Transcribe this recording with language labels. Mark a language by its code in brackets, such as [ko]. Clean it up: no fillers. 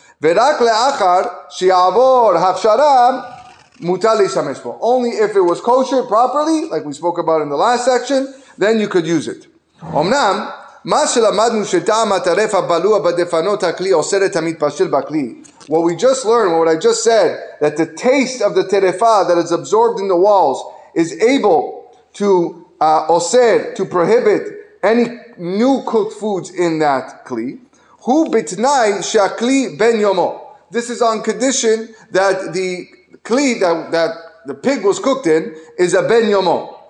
[he] ורק לאחר שיעבור הכשרה מותר להשתמש בו. [en] Only if it was kosher properly, like we spoke about in the last section, then you could use it. [he] אמנם מה שלמדנו שטעם הטרף הבלוע בדפנות הכלי אוסר את המתפשל בכלי. [en] What we just learned, what I just said, that the taste of the terefa that is absorbed in the walls is able to oser, to prohibit any new cooked foods in that kli. [he] Hu bitnai shakli ben yomo. [en] This is on condition that the kli that the pig was cooked in is a ben yomo.